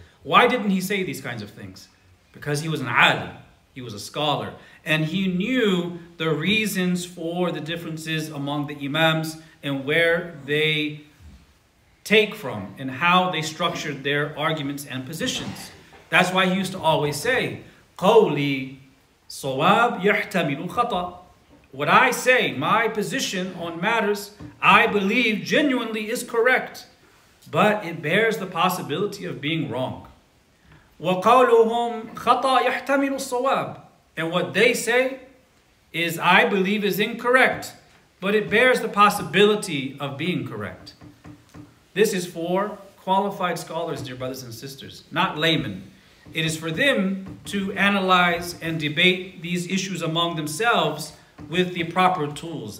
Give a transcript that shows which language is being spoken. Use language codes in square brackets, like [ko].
[en] Why didn't he say these kinds of things? Because he was an alim, he was a scholar, and he knew the reasons for the differences among the imams and where they take from and how they structured their arguments and positions. That's why he used to always say, [ar] قولي صواب يحتمل الخطأ. [en] What I say, my position on matters, I believe genuinely is correct, but it bears the possibility of being wrong. [ar] وقولهم خطأ يحتمل الصواب. [en] And what they say is, I believe is incorrect, but it bears the possibility of being correct. This is for qualified scholars, dear brothers and sisters, not laymen. It is for them to analyze and debate these issues among themselves with the proper tools.